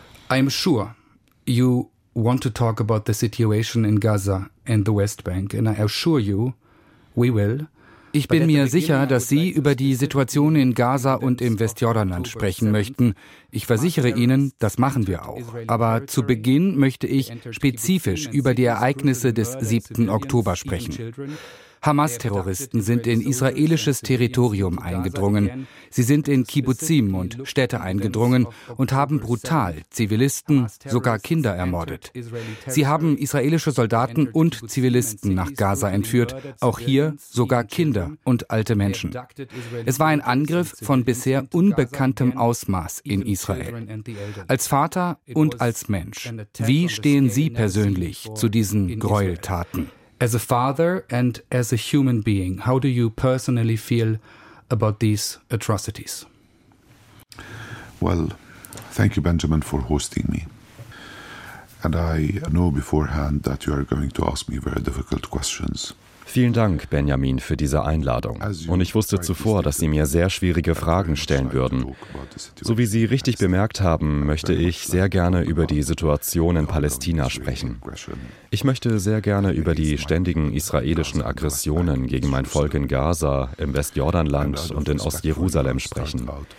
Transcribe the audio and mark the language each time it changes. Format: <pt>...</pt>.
<en>I'm sure you want to talk about the situation in Gaza and the West Bank, and I assure you, we will.</en> <de>Ich bin mir sicher, dass Sie über die Situation in Gaza und im Westjordanland sprechen möchten. Ich versichere Ihnen, das machen wir auch. Aber zu Beginn möchte ich spezifisch über die Ereignisse des 7. Oktober sprechen. Hamas-Terroristen sind in israelisches Territorium eingedrungen. Sie sind in Kibbuzim und Städte eingedrungen und haben brutal Zivilisten, sogar Kinder ermordet. Sie haben israelische Soldaten und Zivilisten nach Gaza entführt, auch hier sogar Kinder und alte Menschen. Es war ein Angriff von bisher unbekanntem Ausmaß in Israel. Als Vater und als Mensch, wie stehen Sie persönlich zu diesen Gräueltaten?</de> <en>As a father and as a human being, how do you personally feel about these atrocities? Well, thank you, Benjamin, for hosting me. And I know beforehand that you are going to ask me very difficult questions.</en> <de>Vielen Dank, Benjamin, für diese Einladung. Und ich wusste zuvor, dass Sie mir sehr schwierige Fragen stellen würden. So wie Sie richtig bemerkt haben, möchte ich sehr gerne über die Situation in Palästina sprechen. Ich möchte sehr gerne über die ständigen israelischen Aggressionen gegen mein Volk in Gaza, im Westjordanland und in Ostjerusalem sprechen.</de>